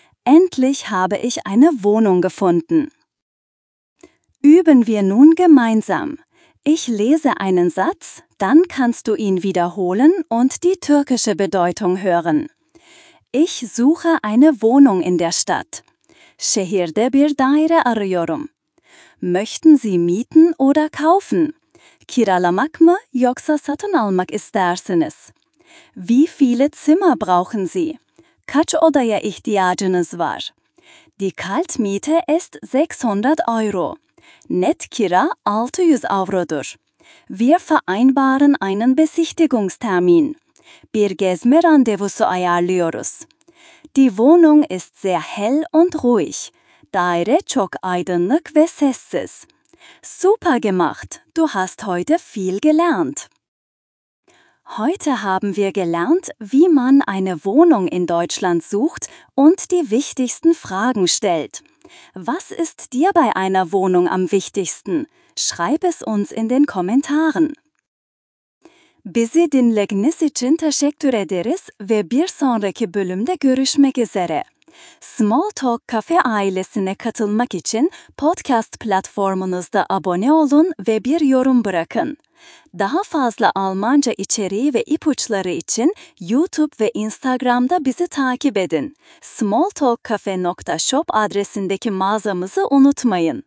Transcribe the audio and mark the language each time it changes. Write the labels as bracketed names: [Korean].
[German] Endlich habe ich eine Wohnung gefunden. Üben wir nun gemeinsam. Ich lese einen Satz, dann kannst du ihn wiederholen und die türkische Bedeutung hören. Ich suche eine Wohnung in der Stadt. [Turkish] Şehirde bir daire arıyorum. [German] Möchten Sie mieten oder kaufen? [Turkish] Kiralamak mı yoksa satın almak istersiniz? [German] Wie viele Zimmer brauchen Sie? [Turkish] Kaç odaya ihtiyacınız var? [German] Die Kaltmiete ist 600 Euro. [Turkish] Net kira 600 Euro'dur. [German] Wir vereinbaren einen Besichtigungstermin. [Turkish] Bir gezme randevusu ayarlıyoruz. [German] Die Wohnung ist sehr hell und ruhig. [Turkish] Daire çok aydınlık ve sessiz. [German] Super gemacht! Du hast heute viel gelernt. Heute haben wir gelernt, wie man eine Wohnung in Deutschland sucht und die wichtigsten Fragen stellt. Was ist dir bei einer Wohnung am wichtigsten? Schreib es uns in den Kommentaren. [Turkish] Bizi dinlediğiniz için teşekkür ederiz ve bir sonraki bölümde görüşmek üzere. Smalltalk Kafe ailesine katılmak için podcast platformunuzda abone olun ve bir yorum bırakın. Daha fazla Almanca içeriği ve ipuçları için YouTube ve Instagram'da bizi takip edin. smalltalkkafe.shop adresindeki mağazamızı unutmayın.